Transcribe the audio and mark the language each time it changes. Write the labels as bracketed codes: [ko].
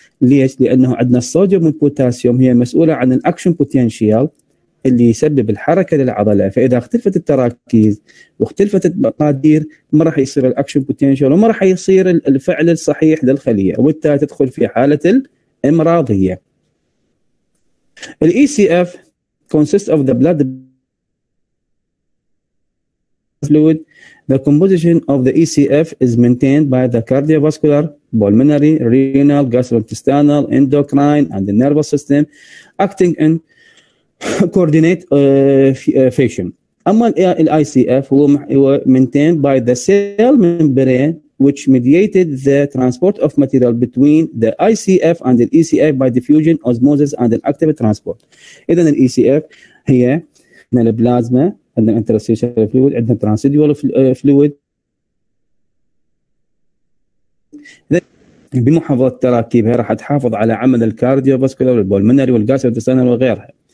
[ar] ليش؟ لانه عندنا الصوديوم والبوتاسيوم هي مسؤوله عن الاكشن بوتنشال اللي يسبب الحركة للعضلة، فإذا اختلفت التراكيز واختلفت المقادير ما راح يصير الأكشن بوتينشال وما راح يصير الفعل الصحيح للخلية وبالتالي تدخل في حالة الإمراضية. [en] الـ ECF consists of the blood fluid. The composition of the ECF is maintained by the cardiovascular, pulmonary, renal, gastrointestinal, endocrine and the nervous system acting in coordinate fashion. [ar] اما الاي سي اف هو [en] maintained by the cell membrane which mediated the transport of material between the ICF and the ECF by diffusion, osmosis and the active transport. [ar] اذا الاي سي اف هي من البلازما، عندنا الانترستيشنال فلويد، عندنا الترانسيديوال فلويد بمحافظه تراكيبها راح تحافظ على عمل الكارديوفاسكولار والبولمونري والجاستروانتستينال وغيرها.